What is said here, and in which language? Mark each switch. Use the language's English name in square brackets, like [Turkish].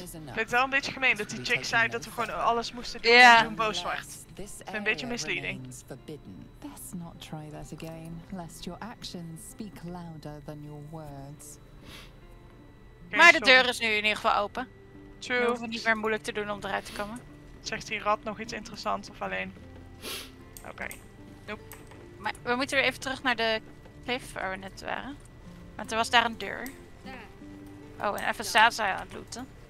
[Dutch] Ik vind het wel een beetje gemeen dat die chick zei dat we gewoon alles moesten doen toen een boos werd. Een beetje misleading. [English] Best not try that again, lest your actions speak louder than your words. [Dutch] Maar de deur is nu in ieder geval open. [English] True. [Dutch] We hoeven niet meer moeilijk te doen om eruit te komen. Zegt die rat nog iets interessants of alleen? Oké. Nope. Maar we moeten weer even terug naar de cliff waar we net waren. Want er was daar een deur. Oh, en even staat zij aan het looten.